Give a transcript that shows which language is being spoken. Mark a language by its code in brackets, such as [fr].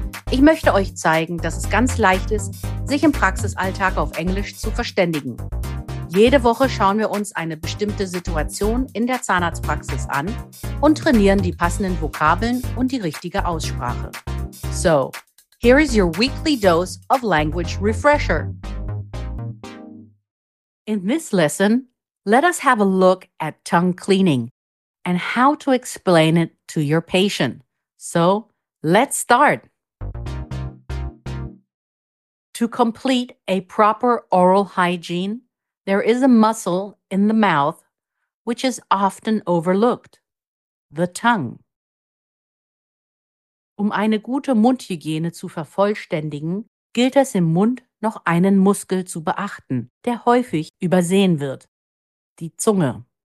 [de] Ich möchte euch zeigen, dass es ganz leicht ist, sich im Praxisalltag auf Englisch zu verständigen. Jede Woche schauen wir uns eine bestimmte Situation in der Zahnarztpraxis an und trainieren die passenden Vokabeln und die richtige Aussprache. [en] So, here is your weekly dose of language refresher. In this lesson, let us have a look at tongue cleaning and how to explain it to your patient. So, let's start. To complete a proper oral hygiene, there is a muscle in the mouth which is often overlooked, the tongue. [de] Um eine gute Mundhygiene zu vervollständigen, gilt es im Mund noch einen Muskel zu beachten, der häufig übersehen wird, die Zunge.